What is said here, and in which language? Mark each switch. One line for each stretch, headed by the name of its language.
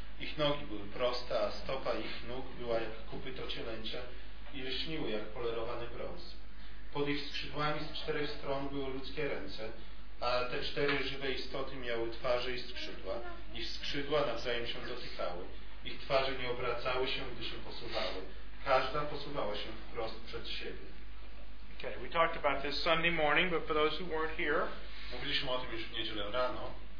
Polish: Ich nogi były proste, a stopa ich nóg była jak kopyto cielęcia i lśniły jak polerowany brąz. Pod ich skrzydłami z czterech stron były ludzkie ręce, a te cztery żywe istoty miały twarze i skrzydła. Ich skrzydła nawzajem się dotykały. Ich twarze nie obracały się, gdy się posuwały. Każda posuwała się wprost przed siebie.
English: Okay, we talked about this Sunday morning, but for those who weren't here.
Polish: Mówiliśmy o tym już w niedzielę rano.